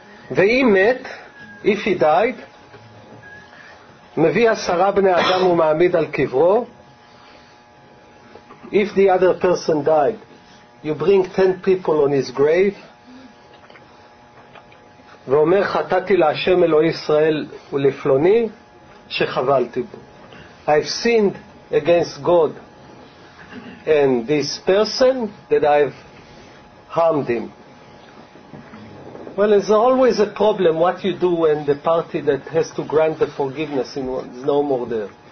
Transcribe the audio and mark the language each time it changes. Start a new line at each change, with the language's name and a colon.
Hebrew: Ve'im met,
English: if he died,
Hebrew: mevi'a sara bnei adam u'ma'amid al kivro.
English: If the other person died, you bring 10 people on his grave.
Hebrew: ואומר חטאתי להשם אלוהי ישראל ולפלוני שחבלתי בו.
English: I've sinned against God and this person that I've harmed him. Well, there's always a problem what you do when the party that has to grant the forgiveness is no more there.